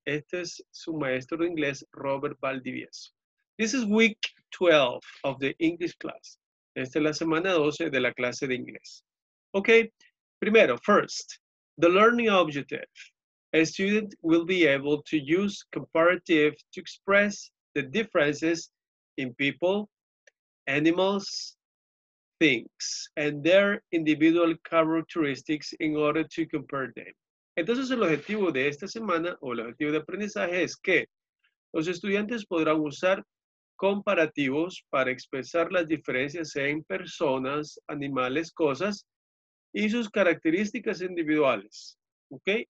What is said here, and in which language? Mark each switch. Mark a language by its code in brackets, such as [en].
[es] Este es su maestro de inglés, Robert Valdivieso. [en] This is week 12 of the English class. [es] Esta es la semana 12 de la clase de inglés. [en] Okay, primero, first, the learning objective. A student will be able to use comparative to express the differences in people, animals, things, and their individual characteristics in order to compare them. [es] Entonces, el objetivo de esta semana o el objetivo de aprendizaje es que los estudiantes podrán usar comparativos para expresar las diferencias en personas, animales, cosas y sus características individuales, ¿ok?